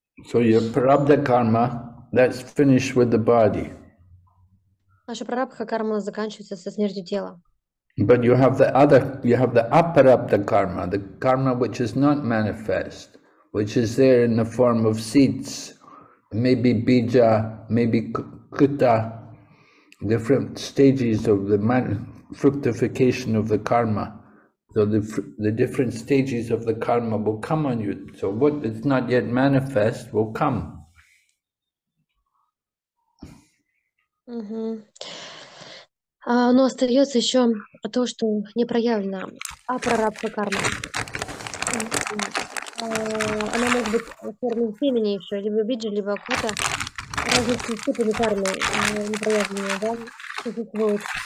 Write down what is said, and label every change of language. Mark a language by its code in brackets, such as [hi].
[en] So your prarabdha karma, that's finished with the body. [ru] Наша прарабдха карма заканчивается со смертью тела. [en] But you have the other, you have the aparabdha karma, the karma which is not manifest, which is there in the form of seeds, maybe bija, maybe kuta, different stages of the fructification of the karma. So the different stages of the karma will come on you. So what is not yet manifest will come. Mm-hmm. [ru] Но остается еще то, что не проявлено, а прарабдха карма. Она может быть в форме семени еще, либо биджи, либо кута. Различные степени кармы не проявлены, да, существуют.